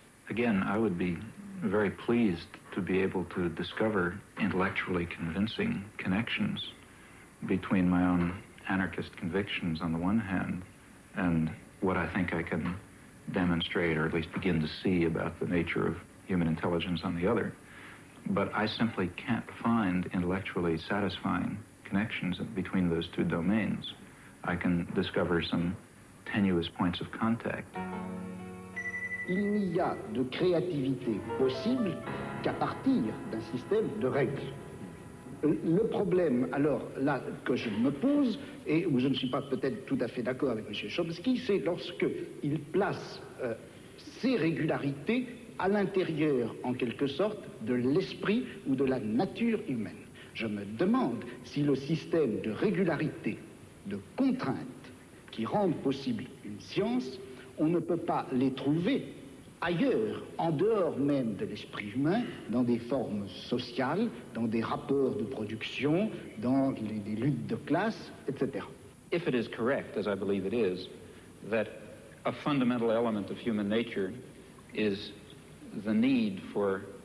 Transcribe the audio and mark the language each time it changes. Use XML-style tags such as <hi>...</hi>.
<en>Again, I would be very pleased to be able to discover intellectually convincing connections between my own anarchist convictions on the one hand and what I think I can demonstrate or at least begin to see about the nature of human intelligence on the other. But I simply can't find intellectually satisfying connections between those two domains. I can discover some tenuous points of contact.</en> <fr>Il n'y a de créativité possible qu'à partir d'un système de règles. Le problème, alors, là, que je me pose, et où je ne suis pas peut-être tout à fait d'accord avec M. Chomsky, c'est lorsque il place ses régularités à l'intérieur, en quelque sorte, de l'esprit ou de la nature humaine. Je me demande si le système de régularité, de contraintes, qui rendent possible une science, on ne peut pas les trouver ailleurs, en dehors même de l'esprit humain, dans des formes sociales, dans des rapports de production, dans des luttes de classe, etc.</fr> <en>If it is correct, as I believe it is, that a fundamental element of human nature is the need for</en>